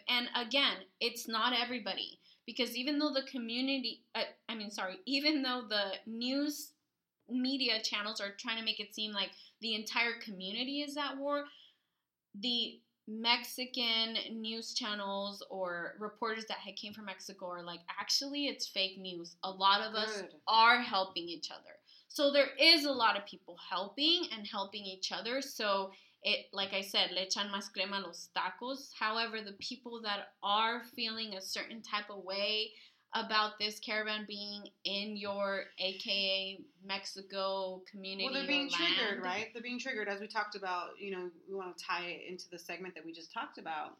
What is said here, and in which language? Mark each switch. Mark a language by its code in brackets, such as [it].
[en] And again, it's not everybody. Because even though the community, even though the news media channels are trying to make it seem like the entire community is at war, the Mexican news channels or reporters that had came from Mexico are like, actually, it's fake news. A lot of us are helping each other. So there is a lot of people helping and helping each other. So it, like I said, [es] le echan más crema a los tacos. [en] However, the people that are feeling a certain type of way about this caravan being in your AKA Mexico community. Well, they're being triggered, right? They're being triggered, as we talked about, you know, we want to tie it into the segment that we just talked about.